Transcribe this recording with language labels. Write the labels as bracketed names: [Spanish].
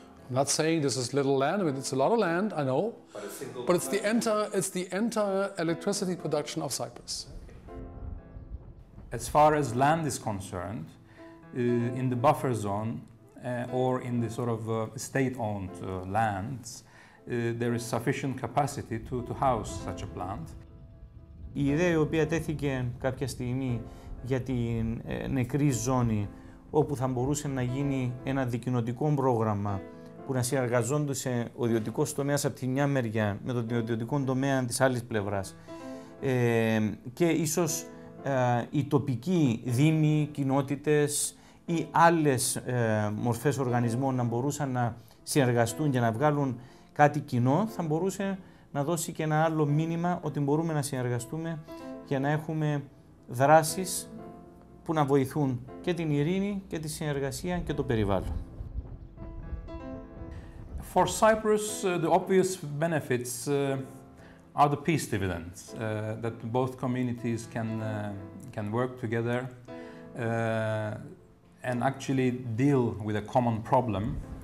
[English] I'm not saying this is little land, I mean, it's a lot of land, I know, but it's the entire electricity production of Cyprus. As far as land is concerned, in the buffer zone, or in the sort of state-owned lands, there is sufficient capacity to house such a plant. [Greek] Η ιδέα η οποία τέθηκε κάποια στιγμή για την νεκρή ζώνη όπου θα μπορούσε να γίνει ένα δικοινοτικό πρόγραμμα που να συνεργαζόντουσε ο ιδιωτικός τομέας από τη μια μεριά με τον ιδιωτικό τομέα της άλλης πλευράς και ίσως οι τοπικοί δήμοι, κοινότητες ή άλλες μορφές οργανισμών να μπορούσαν να συνεργαστούν για να βγάλουν κάτι κοινό θα μπορούσε να δώσει και ένα άλλο μήνυμα ότι μπορούμε να συνεργαστούμε για να έχουμε δράσεις που να βοηθούν και την ειρήνη και τη συνεργασία και το περιβάλλον. [English] For Cyprus, the obvious benefits are the peace dividends, that both communities can work together and actually deal with a common problem.